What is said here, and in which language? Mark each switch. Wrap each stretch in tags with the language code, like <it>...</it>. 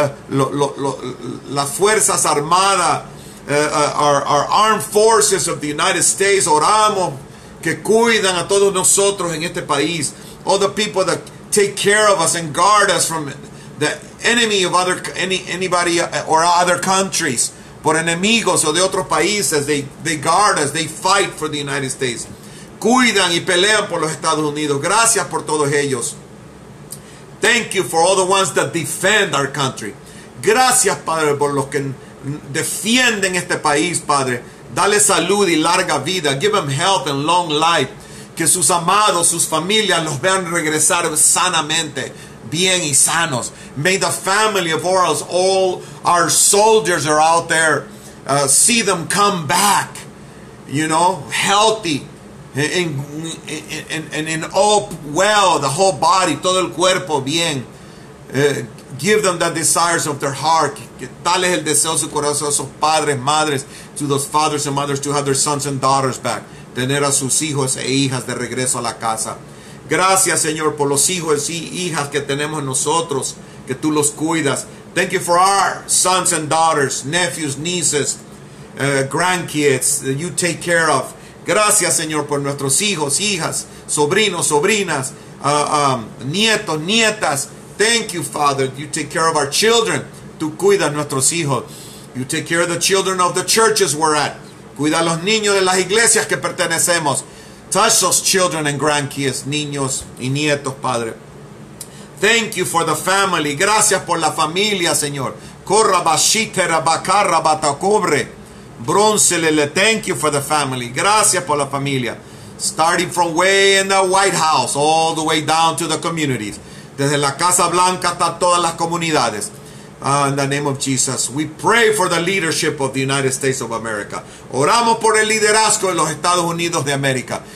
<es>las fuerzas armadas,</es> <en>our armed forces of the United States,</en> <es>oramos que cuidan a todos nosotros en este país,</es> <en>all the people that take care of us and guard us from the enemy of anybody or other countries,</en> <es>por enemigos o de otros países,</es> <en>they guard us, they fight for the United States.</en> <es>Cuidan y pelean por los Estados Unidos. Gracias por todos ellos.</es> <en>Thank you for all the ones that defend our country.</en> <es>Gracias, Padre, por los que defienden este país, Padre. Dale salud y larga vida.</es> <en>Give them health and long life.</en> <es>Que sus amados, sus familias, los vean regresar sanamente. Bien y sanos.</es> <en>May the family of Orals, all our soldiers are out there, see them come back, you know, healthy and all well, the whole body,</en> <es>todo el cuerpo bien.</es> <en>Give them the desires of their heart.</en> <es>Que tal es el deseo de su corazón, esos padres, madres,</es> <en>to those fathers and mothers to have their sons and daughters back.</en> <es>Tener a sus hijos e hijas de regreso a la casa. Gracias, Señor, por los hijos y hijas que tenemos nosotros, que tú los cuidas.</es> <en>Thank you for our sons and daughters, nephews, nieces, grandkids that you take care of.</en> <es>Gracias, Señor, por nuestros hijos, hijas, sobrinos, sobrinas, nietos, nietas.</es> <en>Thank you, Father, you take care of our children.</en> <es>Tú cuidas nuestros hijos.</es> <en>You take care of the children of the churches we're at.</en> <es>Cuida a los niños de las iglesias que pertenecemos.</es> <en>Touch those children and grandkids,</en> <es>niños y nietos,</es> <en>Padre. Thank you for the family.</en> <es>Gracias por la familia, Señor. Corra bashitera bakarra batacobre. Bronzelele.</es> <en>Thank you for the family.</en> <es>Gracias por la familia.</es> <en>Starting from way in the White House, all the way down to the communities.</en> <es>Desde la Casa Blanca hasta todas las comunidades.</es> <en>In the name of Jesus, we pray for the leadership of the United States of America.</en> <es>Oramos por el liderazgo de los Estados Unidos de América.</es>